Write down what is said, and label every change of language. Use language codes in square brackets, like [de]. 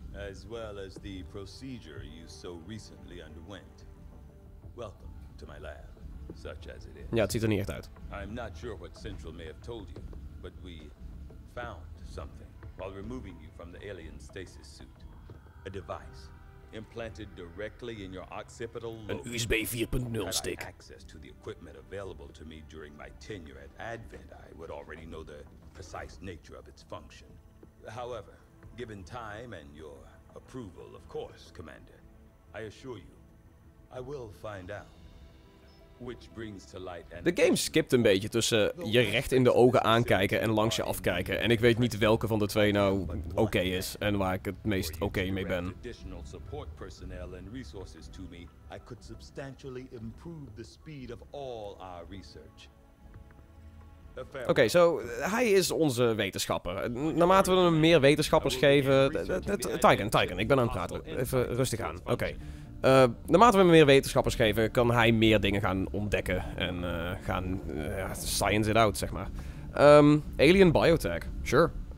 [en] As well as the procedure you so recently underwent. Welcome to my lab, such as it is. [nl] Ja, het ziet er niet echt uit. [en] I'm not sure what Central may have told you, but we found something while removing you from the alien stasis suit. A device implanted directly in your occipital lobe. An USB 4.0 stick. Access to the equipment available to me during my tenure at Advent, I would already know the precise nature of its function. However, given time and your approval, of course, Commander. I assure you, I will find out. Which brings to light. [nl] De game skipt een beetje tussen je recht in de ogen aankijken en langs je afkijken. En ik weet niet welke van de twee nou oké is en waar ik het meest oké mee ben. [en] Additional support personnel and resources to me, I could substantially improve the speed of all our research. [nl] Oké, zo, hij is onze wetenschapper. Naarmate we hem meer wetenschappers geven... Tygon, ik ben aan het praten. Even rustig aan. Oké. Naarmate we hem meer wetenschappers geven, kan hij meer dingen gaan ontdekken. [en] En science it out, [nl] zeg maar. [en] Alien biotech, sure.